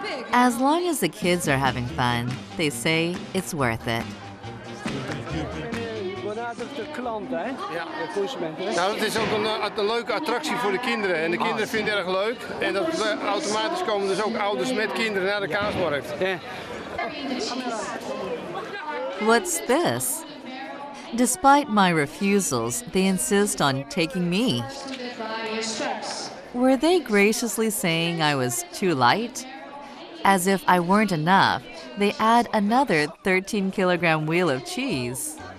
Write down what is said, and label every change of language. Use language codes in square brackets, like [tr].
[en] As long as the kids are having fun, they say it's worth it. [nl] Nou, het is ook een leuke attractie voor de kinderen. En de kinderen vinden het erg leuk. En dat automatisch komen dus ook ouders met kinderen naar de kaasmarkt. [en] What's this? Despite my refusals, they insist on taking me. Were they graciously saying I was too light? As if I weren't enough, they add another 13 kilogram wheel of cheese.